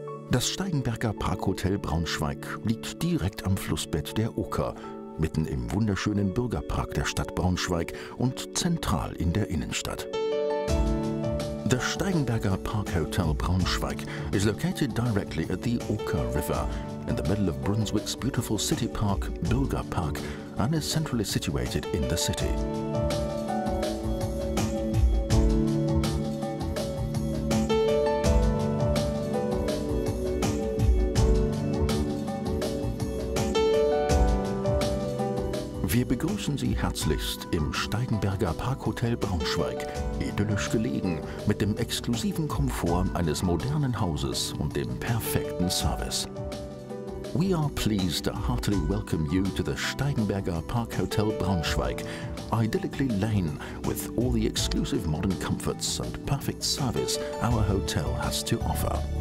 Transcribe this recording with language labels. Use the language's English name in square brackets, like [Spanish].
[German] Das Steigenberger Parkhotel Braunschweig liegt direkt am Flussbett der Oker, mitten im wunderschönen Bürgerpark der Stadt Braunschweig und zentral in der Innenstadt. [English] Das Steigenberger Parkhotel Braunschweig is located directly at the Oker River, in the middle of Brunswick's beautiful city park, Bürgerpark, and is centrally situated in the city. [German] Wir begrüßen Sie herzlichst im Steigenberger Parkhotel Braunschweig, idyllisch gelegen, mit dem exklusiven Komfort eines modernen Hauses und dem perfekten Service. [English] We are pleased to heartily welcome you to the Steigenberger Parkhotel Braunschweig, idyllically laid with all the exclusive modern comforts and perfect service our hotel has to offer.